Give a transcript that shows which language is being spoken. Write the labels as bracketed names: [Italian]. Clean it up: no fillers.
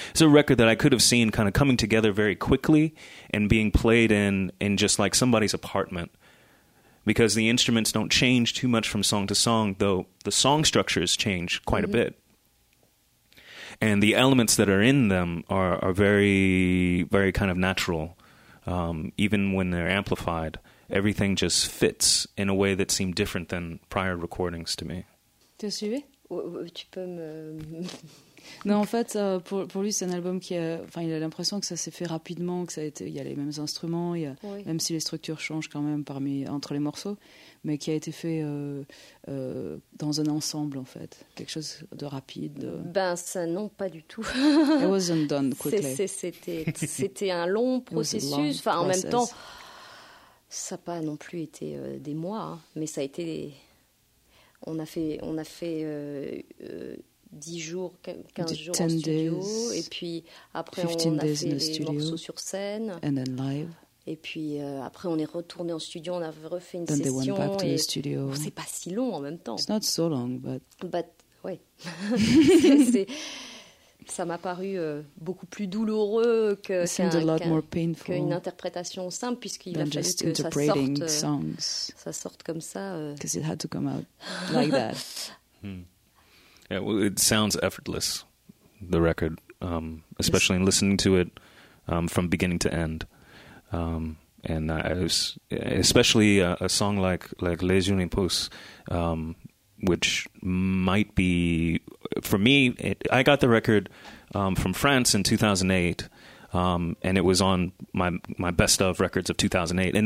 [English] It's a record that I could have seen kind of coming together very quickly and being played in just like somebody's apartment, because the instruments don't change too much from song to song, though the song structures change quite mm-hmm. a bit. And the elements that are in them are very, very kind of natural. Even when they're amplified, everything just fits in a way that seemed different than prior recordings to me. [French] Tu as suivi? Tu peux me Non, en fait, pour lui, c'est un album qui a... Enfin, il a l'impression que ça s'est fait rapidement, que ça a été, il y a les mêmes instruments, il y a, oui. même si les structures changent quand même parmi, entre les morceaux, mais qui a été fait dans un ensemble, en fait. Quelque chose de rapide. Ben, ça, non, pas du tout. [English] It wasn't done quickly. [French] C'était un long processus. Enfin, en même temps, ça n'a pas non plus été des mois, hein, mais ça a été... On a fait 10 jours, 15 jours en studio, et puis après on a fait des morceaux sur scène, [English] and then live. [French] Et puis après on est retourné en studio, on a refait une session, [English] they went back to the studio. [French] C'est pas si long en même temps. [English] It's not so long, but... But, ouais. [French] ça m'a paru beaucoup plus douloureux qu'une interprétation simple, puisqu'il a fallu [English] just [French] que [English] interpreting [French] ça sorte, [English] songs. [French] Ça sorte comme ça. [English] Because it had to come out like that. Yeah, well, it sounds effortless, the record, especially in listening to it from beginning to end. And I was, especially a song like Les Unes Pousses, which might be, for me, I got the record from France in 2008, and it was on my best of records of 2008.